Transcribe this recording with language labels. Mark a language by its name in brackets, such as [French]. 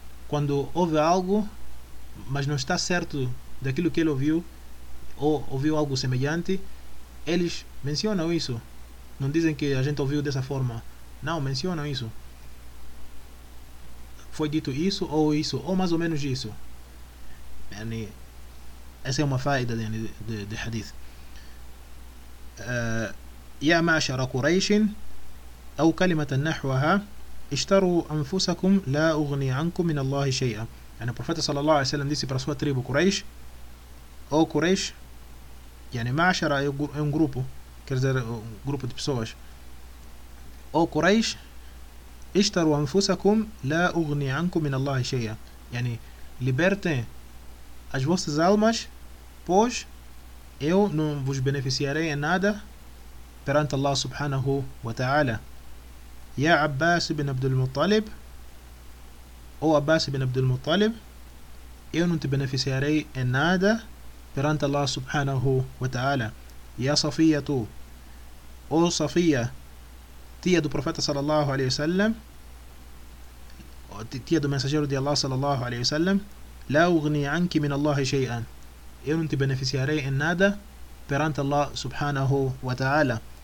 [Portuguese] Quando ouve algo, mas não está certo daquilo que ele ouviu, ou ouviu algo semelhante, eles mencionam isso. Não dizem que a gente ouviu dessa forma. Não, mencionam isso. Foi dito isso, ou mais ou menos isso. Yani, essa é uma faida de hadith. [Arabic] يا معشر قريش أو كلمة نحوها اشتروا أنفسكم لا أغني عنكم من الله شيئا, يعني البروفيت صلى الله عليه وسلم [Portuguese] disse para sua tribo Quraysh, أو Quraysh, يعني معشر é um grupo, quer dizer um grupo de pessoas, أو Quraysh, [Arabic] اشتروا أنفسكم لا أغني عنكم من الله شيئا, [Portuguese] يعني libertem as vossas almas, pois eu não vos beneficiarei em nada perante Allah subhanahu wa ta'ala. Ya Abbas ibn Abdul Muttalib, ou Abbas ibn Abdul Muttalib, eu não te beneficiarei em nada perante Allah subhanahu wa ta'ala. Ya Safiya tu, ou Safiya, tia do profeta sallallahu alaihi wasallam, tia do mensageiro de Allah sallallahu alaihi wasallam, [Arabic] la ugni anki min Allah shay'an, [Portuguese] eu não te beneficiarei em nada perante Allah subhanahu wa ta'ala.